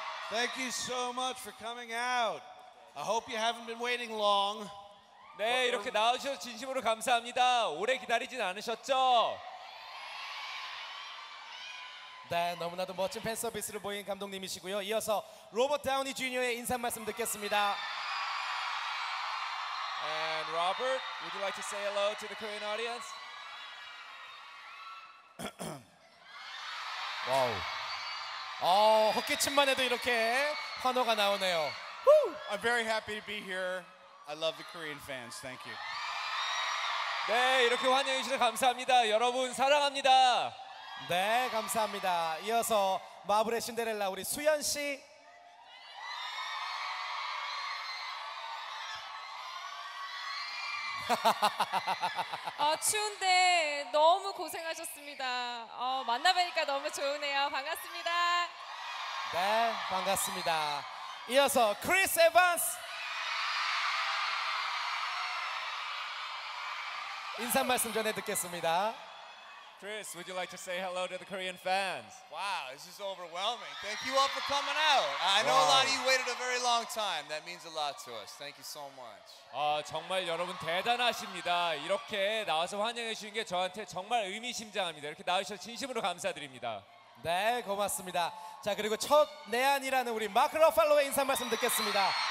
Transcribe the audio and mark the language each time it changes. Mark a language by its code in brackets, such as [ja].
[en] Thank you so much for coming out. I hope you haven't been waiting long. [ko] 네, 이렇게 나오셔서 진심으로 감사합니다. 오래 기다리진 않으셨죠? 네, 너무나도 멋진 팬 서비스를 보인 감독님이시고요. 이어서 로버트 다우니 주니어의 인사 말씀 듣겠습니다. [en] And Robert, would you like to say hello to the Korean audience? Wow. [ko] 어, 헛기침만 해도 이렇게 환호가 나오네요. [en] I'm very happy to be here. I love the Korean fans. Thank you. [ko] 네, 이렇게 환영해 주셔서 감사합니다. 여러분 사랑합니다. 네, 감사합니다. 이어서 마블의 신데렐라 우리 수연 씨. Oh, 추운데 너무 고생하셨습니다. 만나뵈니까 너무 좋으네요. 반갑습니다. 네, 반갑습니다. 이어서 크리스 에반스 인사 말씀 전해 듣겠습니다. [en] Chris, would you like to say hello to the Korean fans? Wow, this is overwhelming. Thank you all for coming out. I know a lot of you waited a very long time. That means a lot to us. Thank you so much. [ko] 정말 여러분 대단하십니다. 이렇게 나와서 환영해 주신 게 저한테 정말 의미심장합니다. 이렇게 나와주셔서 진심으로 감사드립니다. 네, 고맙습니다. 자, 그리고 첫 내한이라는 우리 마크 러팔로의 인사 말씀 듣겠습니다.